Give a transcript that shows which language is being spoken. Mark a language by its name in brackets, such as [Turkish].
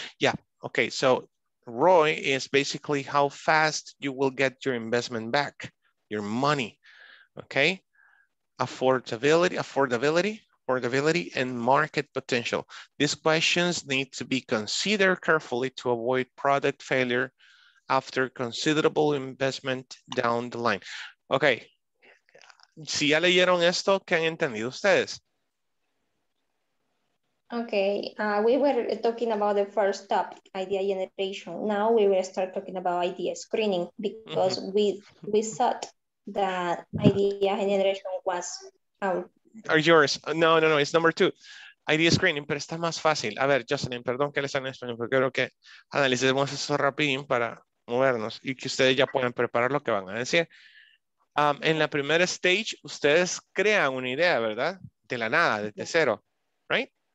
[English] Yeah, okay, so ROI is basically how fast you will get your investment back, your money, okay? Affordability and market potential. These questions need to be considered carefully to avoid product failure after considerable investment down the line. [Spanish] Okay, si ya leyeron esto, ¿qué han entendido ustedes? [English] Okay, we were talking about the first topic, idea generation. Now we will start talking about idea screening because we thought that idea generation was Are yours? No, it's number two. Idea screening, [Spanish] pero está más fácil. A ver, Jocelyn, perdón que les hable en español, pero creo que analicemos eso rapidín para movernos y que ustedes ya puedan preparar lo que van a decir. En la primera stage, ustedes crean una idea, ¿verdad? De la nada, desde cero, right?